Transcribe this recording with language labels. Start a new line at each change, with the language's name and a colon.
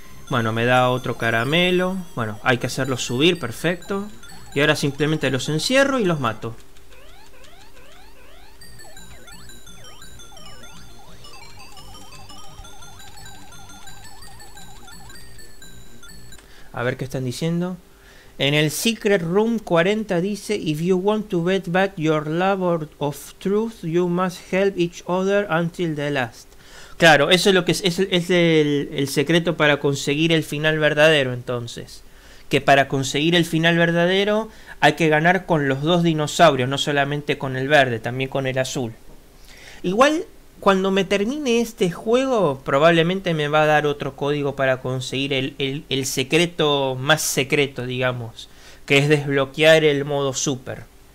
Spanish: Bueno, me da otro caramelo. Bueno, hay que hacerlo subir, perfecto. Y ahora simplemente los encierro y los mato. A ver qué están diciendo. En el
English: Secret Room 40
Spanish: dice:
English: If you want to get back your love of truth, you must help each other until the last.
Spanish: Claro, eso es lo que es el secreto para conseguir el final verdadero, entonces. Que para conseguir el final verdadero hay que ganar con los dos dinosaurios, no solamente con el verde, también con el azul. Igual, cuando me termine este juego, probablemente me va a dar otro código para conseguir el secreto más secreto, digamos, que es desbloquear el modo super.